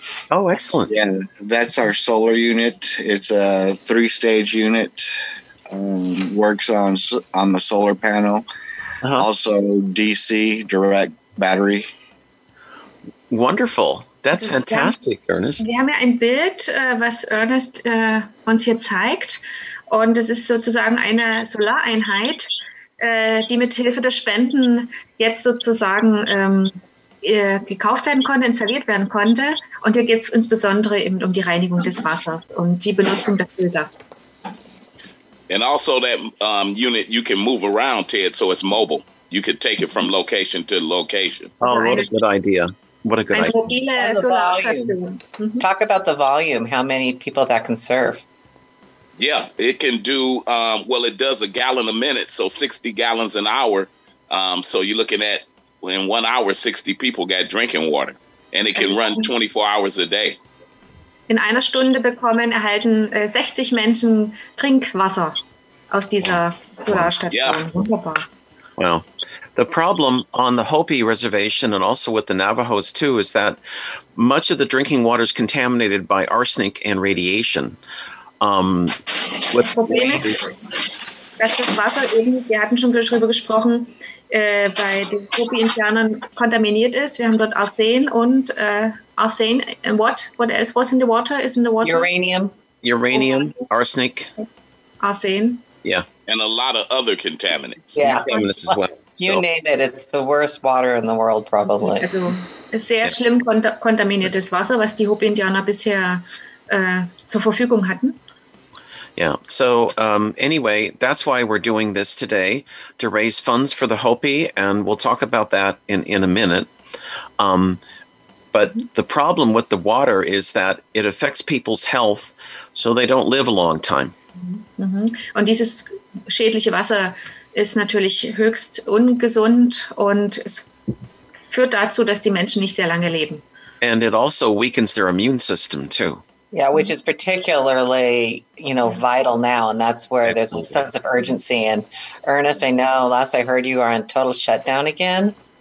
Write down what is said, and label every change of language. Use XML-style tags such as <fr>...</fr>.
<en>Oh, excellent. Yeah, that's our solar unit. It's a three-stage unit. Works on the solar panel, also DC direct battery. Wonderful, that's also fantastic, Ernest.</en> <de>Wir haben ja ein Bild, was Ernest uns hier zeigt, und es ist sozusagen eine Solareinheit, die mit Hilfe der Spenden jetzt sozusagen gekauft werden konnte, installiert werden konnte. Und hier geht es insbesondere eben um die Reinigung des Wassers und die Benutzung der Filter.</de> <en>And also that unit, you can move around, Ted, so it's mobile. You can take it from location to location. Oh, what a good idea. What a good idea. Talk about the volume, how many people that can serve. Yeah, it can do, it does a gallon a minute, so 60 gallons an hour. So you're looking at, in 1 hour, 60 people got drinking water. And it can run 24 hours a day.</en> <de>In einer Stunde erhalten 60 Menschen Trinkwasser aus dieser Solarstation.</de> <en>Yeah.</en> <de>Wunderbar.</de> <en>Well, the problem on the Hopi Reservation and also with the Navajos too is that much of the drinking water is contaminated by arsenic and radiation.</en> <de>Das Problem ist, dass das Wasser eben, wir hatten schon darüber gesprochen, bei den Hopi-Indianern kontaminiert ist. Wir haben dort Arsen und Arsen,</de> <en>and what else was in the water? Is in the water? Uranium, arsenic.</en> <de>Arsen.</de> <en>Yeah. And a lot of other contaminants. Yeah. Contaminants as well. You name it, it's the worst water in the world, probably.</en> <de>Also, sehr schlimm kontaminiertes Wasser, was die Hopi-Indianer bisher zur Verfügung hatten.</de> <en>Yeah, so anyway, that's why we're doing this today, to raise funds for the Hopi, and we'll talk about that in a minute. But the problem with the water is that it affects people's health, so they don't live a long time. Mm-hmm.</en> <de>Und dieses schädliche Wasser ist natürlich höchst ungesund und es führt dazu, dass die Menschen nicht sehr lange leben.</de> <en>And it also weakens their immune system too. Yeah, which is particularly, you know, vital now. And that's where there's a sense of urgency. And Ernest, I know last I heard you are on total shutdown again.</en>